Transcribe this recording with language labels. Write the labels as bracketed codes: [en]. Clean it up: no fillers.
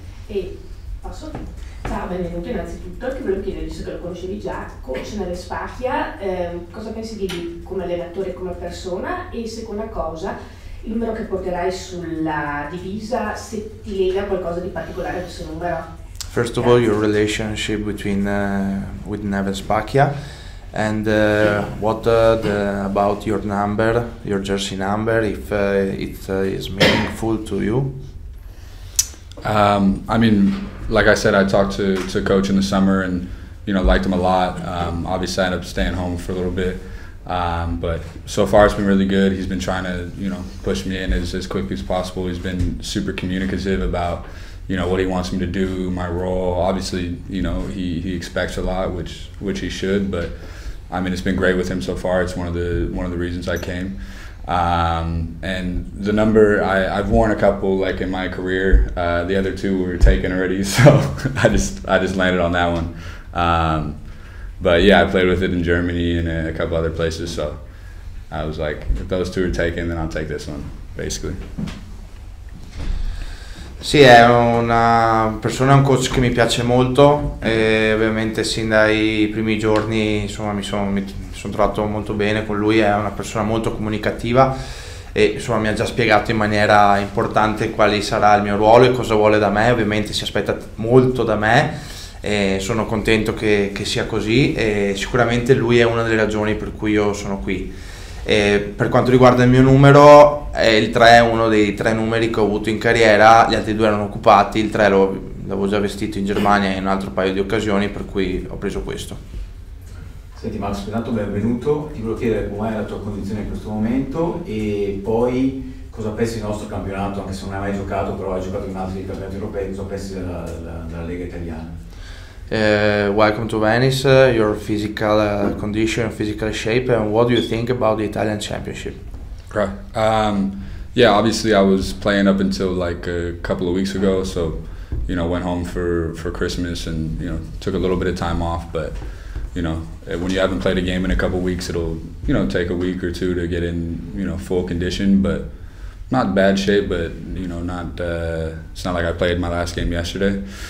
[it] E passo. Ciao, benvenuto innanzitutto. Ti volevo chiedere, visto che lo conoscevi già, coach Neves Pacchia, cosa pensi di lui come allenatore e come persona? E seconda cosa, il numero che porterai sulla divisa, se ti lega qualcosa di particolare a questo numero? [en] First of all, your relationship with Neves Pacchia, and what about your number, your jersey number, if it is meaningful to you? I mean, like I said, I talked to coach in the summer and, you know, liked him a lot. Obviously, I ended up staying home for a little bit, but so far it's been really good. He's been trying to, you know, push me in as quickly as possible. He's been super communicative about, you know, what he wants me to do, my role. Obviously, you know, he expects a lot, which he should. But I mean, it's been great with him so far. It's one of the reasons I came. And the number, I've worn a couple like in my career. The other two were taken already, so I just landed on that one. But yeah, I played with it in Germany and a couple other places. So I was like, if those two are taken, then I'll take this one, basically. [it] Sì, è una persona, un coach che mi piace molto, e ovviamente sin dai primi giorni insomma mi sono trovato molto bene con lui. È una persona molto comunicativa e insomma mi ha già spiegato in maniera importante quale sarà il mio ruolo e cosa vuole da me. Ovviamente si aspetta molto da me e sono contento che sia così, e sicuramente lui è una delle ragioni per cui io sono qui. E per quanto riguarda il mio numero, il 3 è uno dei tre numeri che ho avuto in carriera, gli altri due erano occupati, il 3 l'avevo già vestito in Germania in un altro paio di occasioni, per cui ho preso questo. Senti Max, intanto benvenuto, ti volevo chiedere com'è la tua condizione in questo momento e poi cosa pensi del nostro campionato, anche se non hai mai giocato, però hai giocato in altri campionati europei, cosa pensi della Lega Italiana? [en] Welcome to Venice, your physical condition, physical shape, and what do you think about the Italian championship? Right. Yeah, obviously I was playing up until like a couple of weeks ago, so you know, went home for Christmas and you know, took a little bit of time off, but you know, when you haven't played a game in a couple of weeks, it'll, you know, take a week or two to get in, you know, full condition, but not bad shape, but you know, not it's not like I played my last game yesterday.